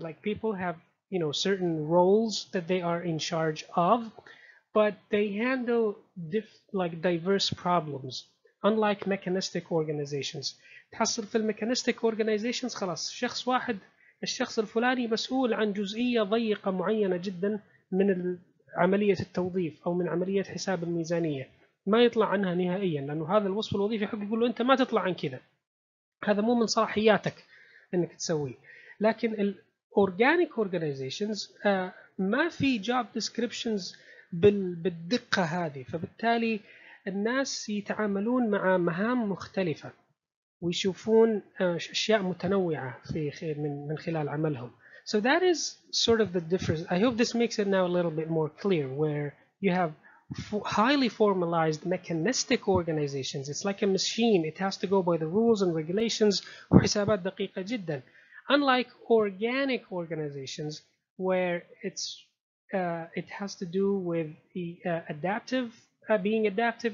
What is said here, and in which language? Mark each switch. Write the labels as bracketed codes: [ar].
[en] Like people have, certain roles that they are in charge of, but they handle diverse problems. Unlike mechanistic organizations, [ar] تحصل في mechanistic organizations خلاص شخص واحد الشخص الفلاني مسؤول عن جزئية ضيقة معينة جدا من عملية التوظيف أو من عملية حساب الميزانية. ما يطلع عنها نهائيا، لانه هذا الوصف الوظيفي حق يقول له انت ما تطلع عن كذا، هذا مو من صلاحياتك انك تسويه. لكن الاورجانيك اورجانيزيشنز ما في جوب ديسكريبشنز بالدقه هذه، فبالتالي الناس يتعاملون مع مهام مختلفه ويشوفون اشياء متنوعه في من خلال عملهم. [en] So that is sort of the difference. I hope this makes it now a little bit more clear, where you have highly formalized mechanistic organizations. It's like a machine. It has to go by the rules and regulations. [ar] حسابات دقيقة جدا. [en] Unlike organic organizations, where it has to do with being adaptive.